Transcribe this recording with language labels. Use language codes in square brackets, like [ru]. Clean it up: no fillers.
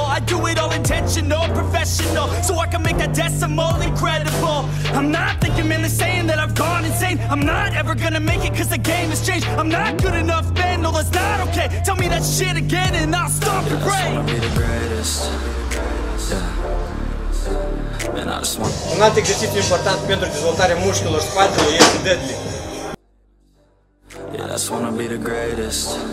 [en] I do it all intentional, professional. So I can make that decimal incredible. I'm not thinking, man, they're saying that I've gone insane. I'm not ever gonna make it cause the game has changed. I'm not good enough, man, no that's not okay. Tell me that shit again and I'll stop and pray. Yeah, I just wanna be the greatest. Man, I just want. [ro] Un alt exercițiu important pentru dezvoltarea mușchilor spatelui este deadlift. [en] Yeah, I just wanna be the greatest.